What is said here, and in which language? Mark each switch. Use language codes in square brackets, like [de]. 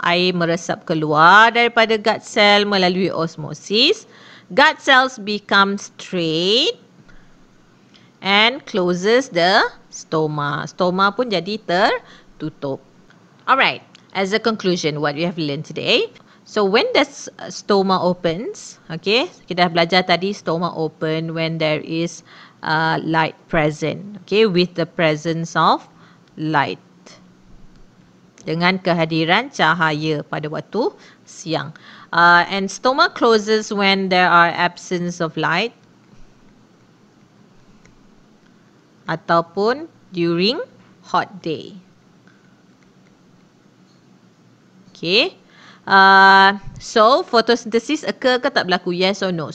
[ms] Air meresap keluar daripada gut cell melalui osmosis. [en] Gut cells become straight and closes the stoma. [ms] Stoma pun jadi tertutup. [en] Alright, as a conclusion, what we have learned today. So when the stoma opens, okay, [ms] kita dah belajar tadi [en] stoma open when there is light present, okay, with the presence of light. [ms] Dengan kehadiran cahaya pada waktu siang. [en] And stoma closes when there are absence of light. Ataupun during hot day. Okay. So photosynthesis occur [ms] ke tak berlaku? [en] Yes or no?